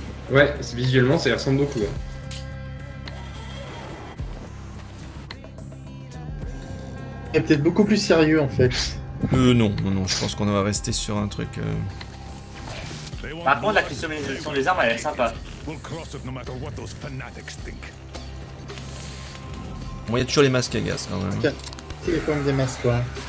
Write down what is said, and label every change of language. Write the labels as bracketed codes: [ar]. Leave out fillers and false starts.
[fr] Ouais, visuellement, ça y ressemble beaucoup. Hein. C'est peut-être beaucoup plus sérieux en fait. Non, je pense qu'on va rester sur un truc. Par contre, la customisation des armes, elle est sympa. [en] We'll cross it no matter what those fanatics think. [fr] Bon, y'a toujours les masques à gaz quand même. C'est quand même des masques, quoi.